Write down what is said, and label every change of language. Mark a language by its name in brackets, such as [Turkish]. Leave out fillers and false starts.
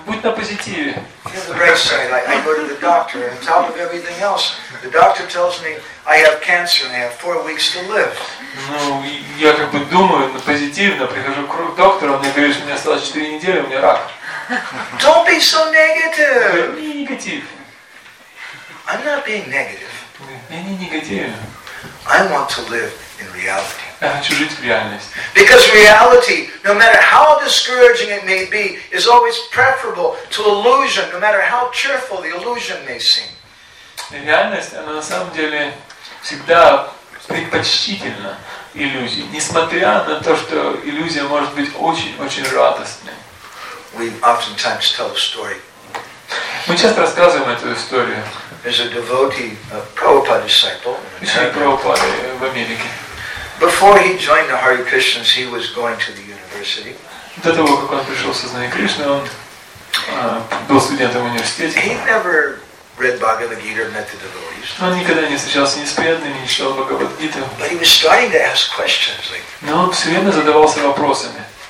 [Russian] Будь на позитиве. [English] The bright side. I go to the doctor, and on top of everything else, the doctor tells me I have cancer and I have 4 weeks to live. [Russian] Ну, я как бы думаю на позитивно, прихожу к доктору, он мне говорит, что у меня осталось 4 недели, у меня рак. [English] Don't be so negative. [Russian] Не негатив. [English] I'm not being negative. [Russian] Я не негативен. [English] I want to live in reality. [Russian] Я хочу жить в реальности. [English] Because reality, no matter how discouraging it may be, is always preferable to illusion, no matter how cheerful the illusion may seem. [Russian] Реальность, она на самом деле всегда предпочтительна иллюзии, несмотря на то, что иллюзия может быть очень-очень радостной. [English] We oftentimes tell a story. [Russian] Мы часто рассказываем эту историю. [English] There's a devotee, a Prabhupada disciple. [Russian] Ученик Прабхупады в Америке. [English] Before he joined the Hare Krishnas, he was going to the university. [Russian] До того, как он пришел в сознание Кришны, он был студентом университета. [English] He never read Bhagavad Gita, met the devotees. [Russian] Он никогда не встречался ни с преданными, ни с Бхагавад Гитой. [English] But he was starting to ask questions like. [Russian] Но он все время задавался вопросами.